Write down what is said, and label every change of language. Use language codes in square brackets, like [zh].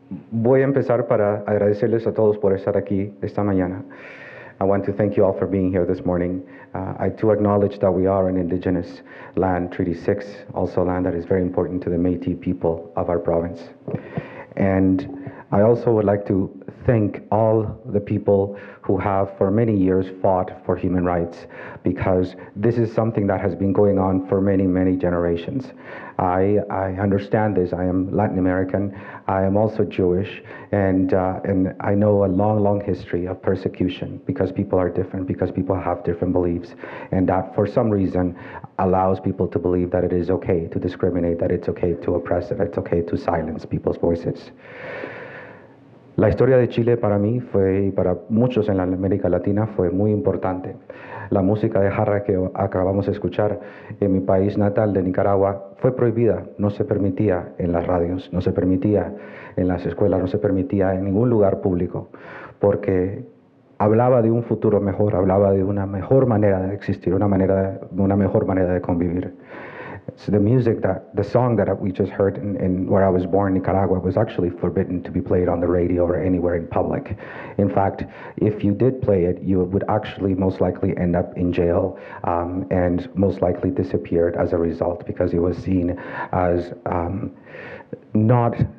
[es] Voy a empezar para agradecerles a todos por estar aquí esta mañana. [en] I want to thank you all for being here this morning. I too acknowledge that we are an indigenous land, Treaty 6, also land that is very important to the Métis people of our province. And I also would like to thank all the people who have for many years fought for human rights, because this is something that has been going on for many, many generations. I understand this. I am Latin American. I am also Jewish. And I know a long, long history of persecution because people are different, because people have different beliefs. And that, for some reason, allows people to believe that it is okay to discriminate, that it's okay to oppress, that it's okay to silence people's voices. [es] La historia de Chile para mí fue, y para muchos en la América Latina, fue muy importante. La música de jarra que acabamos de escuchar en mi país natal de Nicaragua fue prohibida, no se permitía en las radios, no se permitía en las escuelas, no se permitía en ningún lugar público, porque hablaba de un futuro mejor, hablaba de una mejor manera de existir, una mejor manera de convivir. [en] So the music, the song that we just heard in where I was born, Nicaragua, was actually forbidden to be played on the radio or anywhere in public. In fact, if you did play it, you would actually most likely end up in jail and most likely disappeared as a result, because it was seen as not